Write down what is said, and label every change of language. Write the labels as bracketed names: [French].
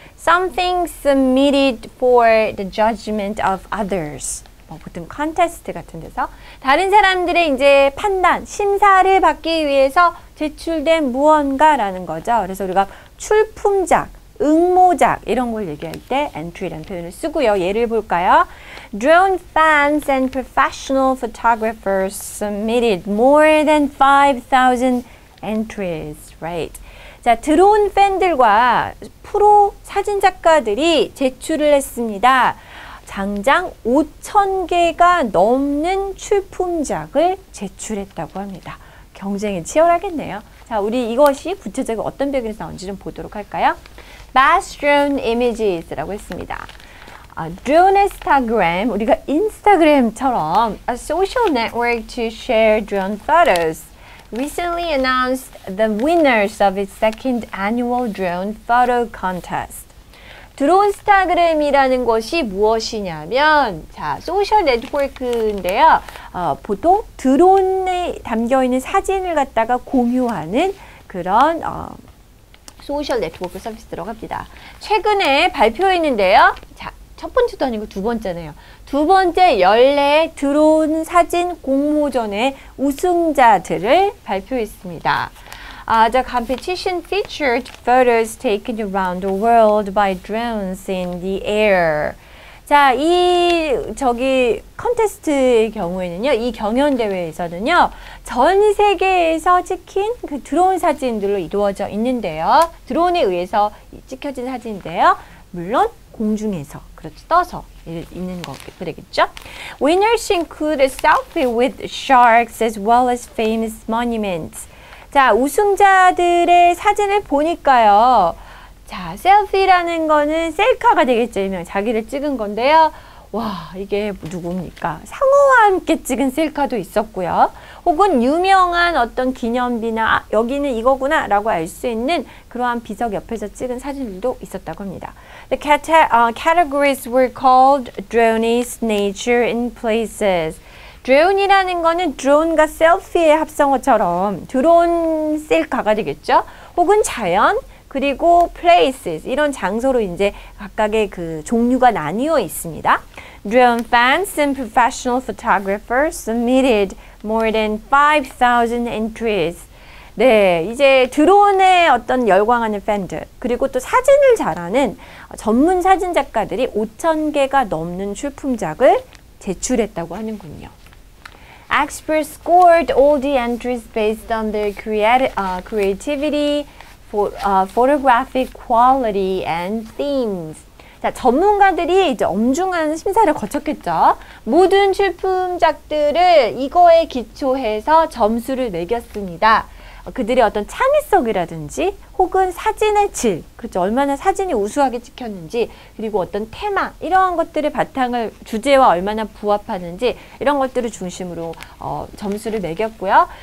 [English] Something submitted for the judgment of others. [Korean] 뭐 보통 컨테스트 같은 데서 다른 사람들의 이제 판단, 심사를 받기 위해서 제출된 무언가라는 거죠. 그래서 우리가 출품작, 응모작 이런 걸 얘기할 때 entry라는 표현을 쓰고요. 예를 볼까요? [English] Drone fans and professional photographers submitted more than 5,000 entries, right? [Korean] 자, 드론 팬들과 프로 사진작가들이 제출을 했습니다. 장장 5,000개가 넘는 출품작을 제출했다고 합니다. 경쟁이 치열하겠네요. 자, 우리 이것이 구체적으로 어떤 배경에서 나온지 좀 보도록 할까요? [English] Bass Drone Images [Korean] 라고 했습니다. [English] Dronestagram, [Korean] 우리가 인스타그램처럼 [English] A social network to share drone photos recently announced the winners of its second annual drone photo contest. [Korean] 드론스타그램이라는 것이 무엇이냐면 자, 소셜 네트워크인데요. 보통 드론에 담겨있는 사진을 갖다가 공유하는 그런 소셜 네트워크 서비스라고 합니다. 최근에 발표했는데요. 자, 첫 번째도 아니고 두 번째네요. 두 번째 연례 드론 사진 공모전의 우승자들을 발표했습니다. [English] The competition featured photos taken around the world by drones in the air. [Korean] 자, 이 저기 컨테스트의 경우에는요, 이 경연대회에서는요, 전 세계에서 찍힌 그 드론 사진들로 이루어져 있는데요. 드론에 의해서 찍혀진 사진인데요. 물론 공중에서, 그렇죠, 떠서 있는 것들이겠죠. [English] Winners include a selfie with sharks as well as famous monuments. [Korean] 자, 우승자들의 사진을 보니까요. 자, 셀피라는 거는 셀카가 되겠죠. 이명 자기를 찍은 건데요. 와, 이게 누굽니까? 상어와 함께 찍은 셀카도 있었고요. 혹은 유명한 어떤 기념비나 아, 여기는 이거구나 라고 알 수 있는 그러한 비석 옆에서 찍은 사진들도 있었다고 합니다. [English] The categories were called drones, nature, and places. [Korean] 드론이라는 거는 드론과 셀피의 합성어처럼 드론 셀카가 되겠죠. 혹은 자연, 그리고 places, 이런 장소로 이제 각각의 그 종류가 나뉘어 있습니다. [English] Drone fans and professional photographers submitted more than 5,000 entries. [Korean] 네, 이제 드론에 어떤 열광하는 팬들, 그리고 또 사진을 잘하는 전문 사진작가들이 5,000개가 넘는 출품작을 제출했다고 하는군요. [English] Experts scored all the entries based on their creativity, photographic quality and themes. [Korean] 자, 전문가들이 이제 엄중한 심사를 거쳤겠죠. 모든 출품작들을 이거에 기초해서 점수를 매겼습니다. 그들의 어떤 창의성이라든지 혹은 사진의 질, 그렇죠. 얼마나 사진이 우수하게 찍혔는지, 그리고 어떤 테마, 이러한 것들을 바탕을 주제와 얼마나 부합하는지, 이런 것들을 중심으로 점수를 매겼고요.